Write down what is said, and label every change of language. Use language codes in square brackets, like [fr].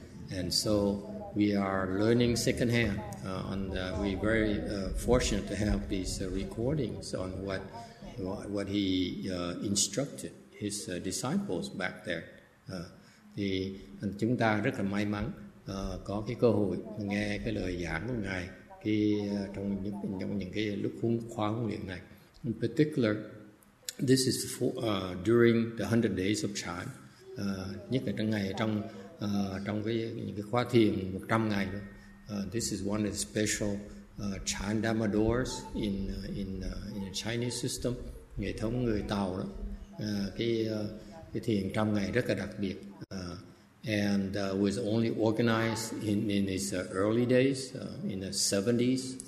[en] And so we are learning second hand, we're very fortunate to have these recordings on what he instructed his disciples back there. [vi] Thì chúng ta rất là may mắn có cái cơ hội nghe cái lời giảng của ngài khi trong những cái lúc khóa huấn luyện này. [en] In particular, this is during the 100 days of Chan, [vi] nhất là trong cái những cái khóa thiền 100 ngày. [en] This is one of the special Chan Dharma doors in a Chinese system, [vi] hệ thống người Tàu đó. Cái thiền 100 ngày rất là đặc biệt. [en] Was only organized in its early days in the 70s.